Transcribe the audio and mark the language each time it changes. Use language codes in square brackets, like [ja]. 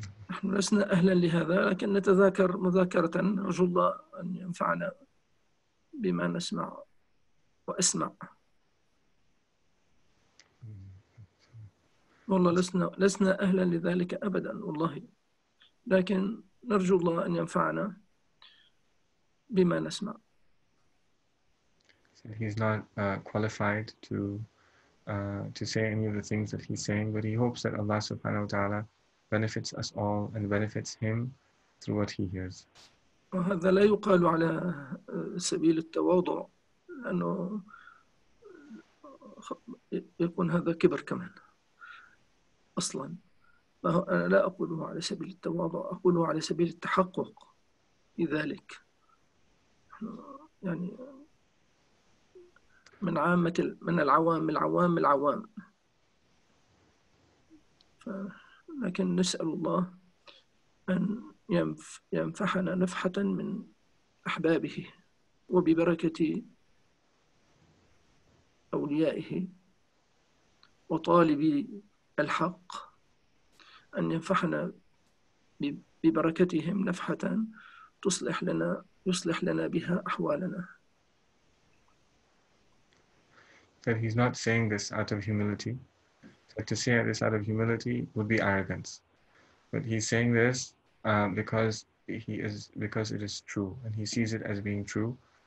[ar] نحن لسنا أهلا لهذا لكن نتذاكر مذاكرة أرجو الله أن ينفعنا بما نسمع وأسمع والله لسنا أهلا لذلك أبدا والله لكن نرجو الله أن ينفعنا بما نسمع. [en] So he's not qualified to say any of the things that he's saying, but he hopes that Allah subhanahu wa ta'ala benefits us all and benefits him through what he hears. [ar] وهذا لا يقال على سبيل التواضع لأنه يكون هذا كبر كمان أصلاً. أنا لا أقوله على سبيل التواضع، أقوله على سبيل التحقق لذلك. يعني من عامة من العوام العوام العوام. لكن نسأل الله أن ينفحنا نفحة من أحبابه وببركة أوليائه وطالبي الحق أن ينفحنا ببركتهم نفحة يصلح لنا بها أحوالنا. [en] That he's not saying this out of humility. So to say this out of humility would be arrogance, but he's saying this because it is true, and he sees it as being true.